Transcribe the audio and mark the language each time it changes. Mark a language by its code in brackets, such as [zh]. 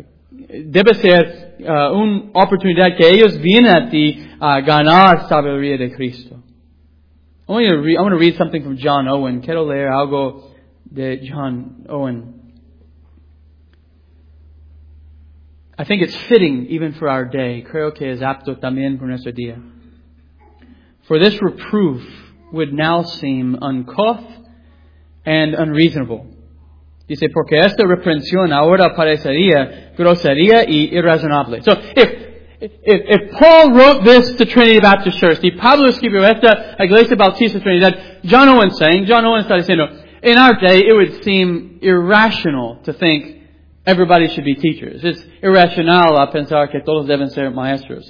[es] Debe ser una oportunidad que ellos vienen a ti a ganar sabiduría de Cristo. [en] I want to read something from John Owen. [es] Quiero leer algo de John Owen. [en] I think it's fitting even for our day. [es] Creo que es apto también por nuestro día. [en] For this reproof would now seem uncouth and unreasonable. [es] Dice, porque esta reprensión ahora parecería grosería y irrazonable. [en] So, if Paul wrote this to Trinity Baptist Church, [es] si Pablo escribió esta iglesia bautista Trinidad, John Owen está diciendo, [en] in our day it would seem irrational to think everybody should be teachers. It's irrational [es] a pensar que todos deben ser maestros.